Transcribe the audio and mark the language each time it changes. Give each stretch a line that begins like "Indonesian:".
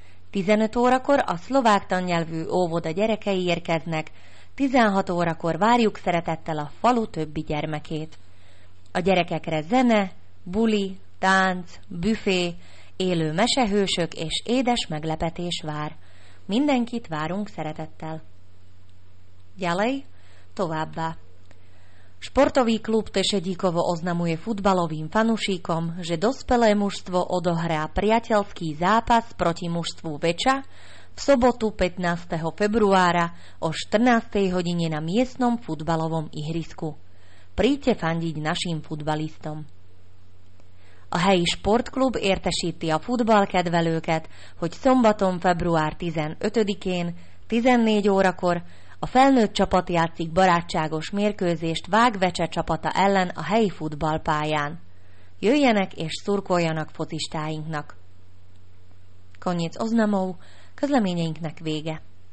Hungarian: 15 órakor a szlovák tannyelvű óvoda gyerekei érkeznek, 16 órakor várjuk szeretettel a falu többi gyermekét. A gyerekekre zene, buli, tánc, büfé, élő mesehősök és édes meglepetés vár. Mindenkit várunk szeretettel.
Slovak: Ďalej,
Hungarian: továbbá.
Slovak: Sportový klub Tešedíkovo oznamuje futbalovým fanušíkom, že dospelé mužstvo odohrá priateľský zápas proti mužstvu Veča v sobotu 15. februára o 14. hodine na miestnom futbalovom ihrisku. Príďte fandiť našim futbalistom.
Hungarian: A helyi sportklub értesíti a futballkedvelőket, hogy szombaton február 15-én 14 órakor a felnőtt csapat játszik barátságos mérkőzést Vágvecse csapata ellen a helyi futballpályán. Jöjjenek és szurkoljanak focistáinknak!
Slovak: Koniec oznamov,
Hungarian: közleményeinknek vége.